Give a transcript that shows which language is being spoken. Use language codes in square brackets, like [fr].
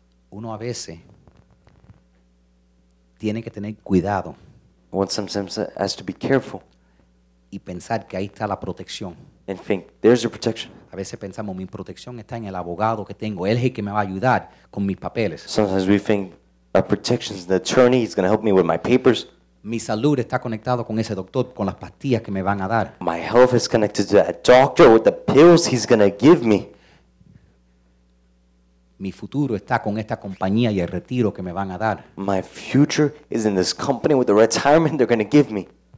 [es] Uno a veces tiene que tener cuidado. [en] One sometimes has to be careful. [es] Y pensar que ahí está la protección. [en] And think, there's your protection. [es] A veces pensamos, mi protección está en el abogado que tengo. Él es el que me va a ayudar con mis papeles. [en] Sometimes we think, our protection is the attorney. He's going to help me with my papers. [es] Mi salud está conectado con ese doctor, con las pastillas que me van a dar. [en] My health is connected to that doctor with the pills he's going to give me. [es] Mi futuro está con esta compañía y el retiro que me van a dar. [en] My future is in this company with the retirement they're going to give me.